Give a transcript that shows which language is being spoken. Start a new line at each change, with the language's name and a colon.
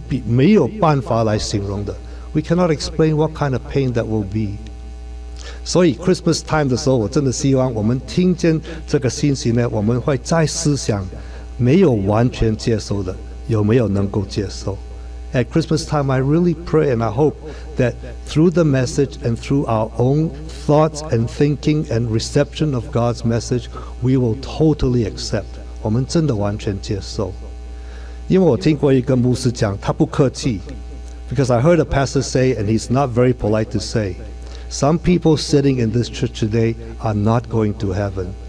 Chinese: 我听过一些传道人跟一些神学家说，那个时候我们才知道什么叫做一个分开的痛苦。在地上的分开已经这么痛苦，在天上见到神的时候，不能进入天国的时候，那个痛苦是我们无比没有办法来形容的。
English: We cannot explain what kind of pain that will be.
Chinese: 所以 Christmas time 的时候，我真的希望我们听见这个信息呢，我们会再思想。没有完全接受的，有没有能够接受？
English: At Christmas time, I really pray and I hope that through the message and through our own thoughts and thinking and reception of God's message, we will totally accept.
Chinese: 我们真的完全接受。因为我听过一个牧师讲，他不客气，
English: because I heard a pastor say, and he's not very polite to say, some people sitting in this church today are not going to heaven.